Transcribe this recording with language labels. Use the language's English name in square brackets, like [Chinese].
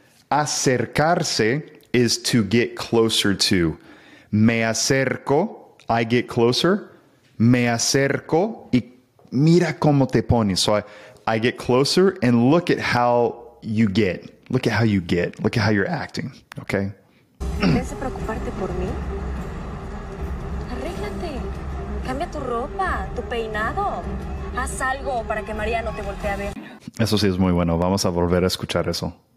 [English] Acercarse is to get closer to. [Spanish] Me acerco, [English] I get closer. [Spanish] Me acerco y mira cómo te pones. [English] So I get closer and look at how you get. Look at how you get. Look at how you're acting. Okay? [Spanish] ¿Quieres preocuparte por mí? Arréglate. Cambia tu ropa, tu peinado. Haz algo para que María no te voltee a ver. Eso sí es muy bueno. Vamos a volver a escuchar eso.